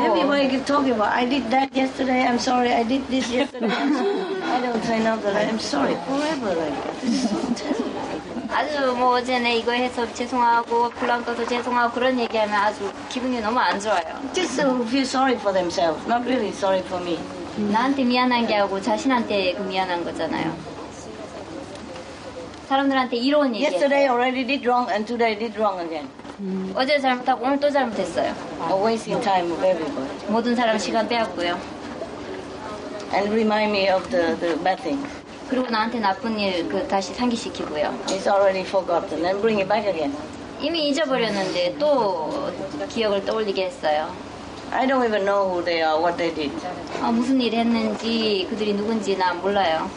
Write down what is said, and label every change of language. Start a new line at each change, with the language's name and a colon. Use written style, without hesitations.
English: Maybe when you talk about, I did that yesterday, I'm sorry, I did this yesterday. I don't say no, but I'm sorry. Forever like that.
Korean: 아주 뭐 어제 내 이거 해서 죄송하고, 불안 꺼서 죄송하고 그런 얘기하면 아주 기분이 너무 안 좋아요.
English: Just feel sorry for themselves, not really sorry for me.
Korean: 나한테 미안한 게 하고 자신한테 미안한 거잖아요. 사람들한테 이런 얘기.
English: Yesterday already did wrong and today did wrong again.
Korean: 어제 잘못하고 오늘 또 잘못했어요.
English: Wasting time of everybody.
Korean: 모든 사람 시간 빼앗고요.
English: And remind me of the bad things.
Korean: 그리고 나한테 나쁜 일 그 다시 상기시키고요.
English: It's already forgotten and bring it back again.
Korean: 이미 잊어버렸는데 또 기억을 떠올리게 했어요.
English: I don't even know who they are, what they did.
Korean: 무슨 일 했는지 그들이 누군지 난 몰라요.